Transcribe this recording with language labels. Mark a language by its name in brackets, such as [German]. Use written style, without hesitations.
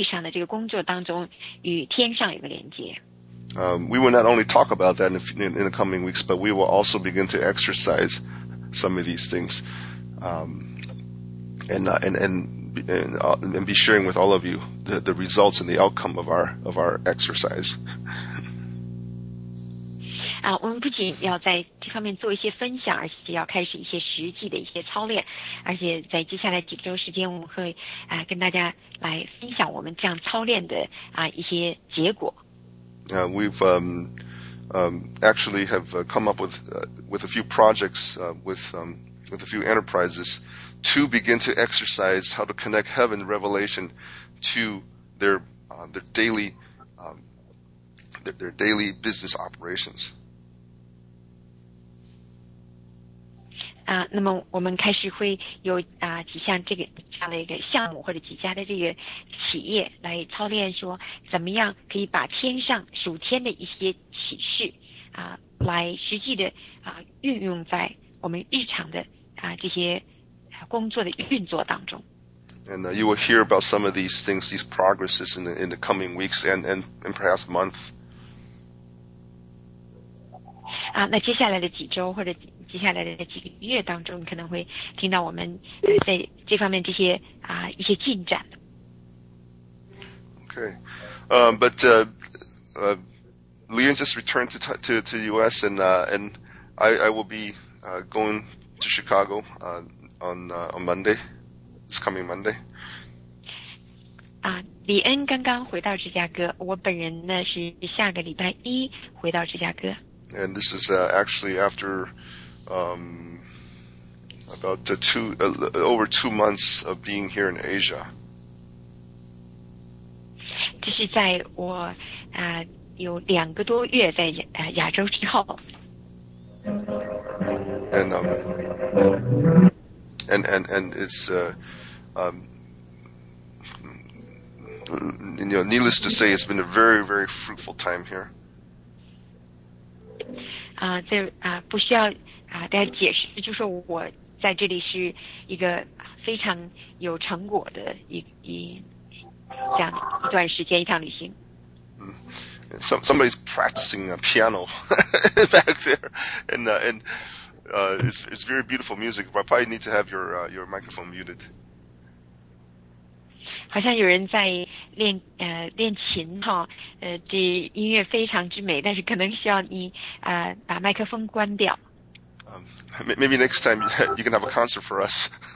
[Chinese] 那么就是我们可以怎么样在每一天在地上的这个工作当中与天上有个连接。 [English] We will not only talk about that in the coming weeks, but we will also begin to exercise some of these things, and be sharing with all of you the results and the outcome of our exercise. [Chinese] 我们不仅要在这方面做一些分享，而且要开始一些实际的一些操练，而且在接下来几周时间，我们会跟大家来分享我们这样操练的一些结果。 [English] We've actually have come up with a few projects with a few enterprises to begin to exercise how to connect heaven revelation to their daily business operations. [Chinese] 那么我们开始会有几项这个这样的一个项目或者几家的这个企业来操练说怎么样可以把天上属天的一些启示来实际的运用在我们日常的这些工作的运作当中。 [English] And you will hear about some of these things, these progresses in the coming weeks and perhaps months. [Chinese] 那接下来的几周或者接下来的几个月当中，可能会听到我们在这方面这些一些进展。 [English] Okay, but Leon just returned to U.S. and I will be going to Chicago on Monday. It's coming Monday. [Chinese] 李恩刚刚回到芝加哥，我本人呢是下个礼拜一回到芝加哥。 [English] And this is actually after about over 2 months of being here in Asia. [Chinese] 这是在我有两个多月在亚洲之后。 [English] And it's you know, needless to say, it's been a very, very fruitful time here. [Chinese] 不需要大家解释，就是我在这里是一个非常有成果的一段时间一趟旅行。 [English] Somebody's practicing a piano back there, it's very beautiful music. But I probably need to have your microphone muted. [Chinese] 好像有人在练琴哈，这音乐非常之美，但是可能需要你把麦克风关掉。 [English] Maybe next time you can have a concert for us.